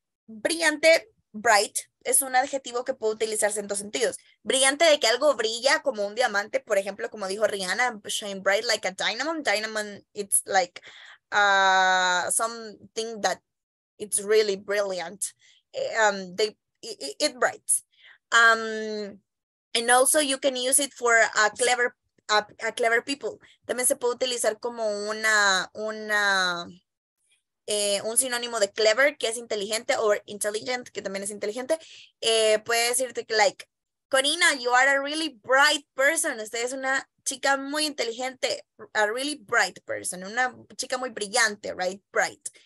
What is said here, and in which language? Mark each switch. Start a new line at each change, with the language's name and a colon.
Spanish: Brillante, bright, es un adjetivo que puede utilizarse en dos sentidos. Brillante de que algo brilla como un diamante, por ejemplo, como dijo Rihanna,
English: shine bright like a diamond. Diamond, it's like something that it's really brilliant. It brights. And also you can use it for a clever people.
Spanish: También se puede utilizar como un sinónimo de clever, que es inteligente, o intelligent, que también es inteligente. Puedes decirte que,
English: like, Corina, you are a really bright person.
Spanish: Usted es una chica muy inteligente,
English: a really bright person,
Spanish: una chica muy brillante, right? Bright.